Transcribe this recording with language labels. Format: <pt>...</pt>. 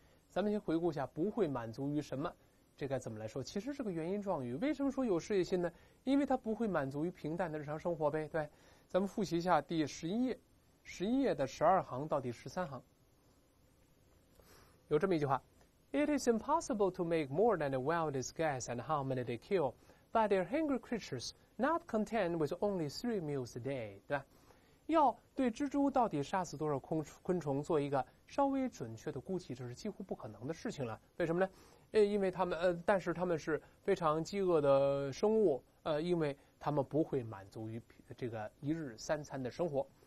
<zh>咱们先回顾一下，不会满足于什么？这该怎么来说？其实是个原因状语。为什么说有事业心呢？因为他不会满足于平淡的日常生活呗。对，咱们复习一下第十一页，十一页的十二行到第十三行，有这么一句话。</zh> <en>It is impossible to make more than the wildest guess and how many they kill, but they are hungry creatures, not content with only 3 meals a day.</en> <zh>对吧？要对蜘蛛到底杀死多少昆虫做一个稍微准确的估计，这是几乎不可能的事情了。为什么呢？因为他们但是他们是非常饥饿的生物，因为他们不会满足于这个一日三餐的生活。</zh>